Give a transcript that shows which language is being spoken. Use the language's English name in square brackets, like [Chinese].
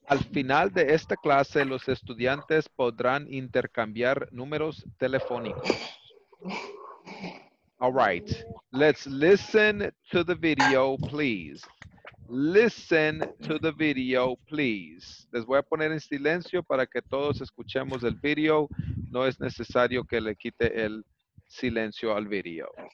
[Spanish] Al final de esta clase, los estudiantes podrán intercambiar números telefónicos. [English] All right, let's listen to the video, please. Listen to the video, please. [Spanish] Les voy a poner en silencio para que todos escuchemos el video. No es necesario que le quite el silencio al video.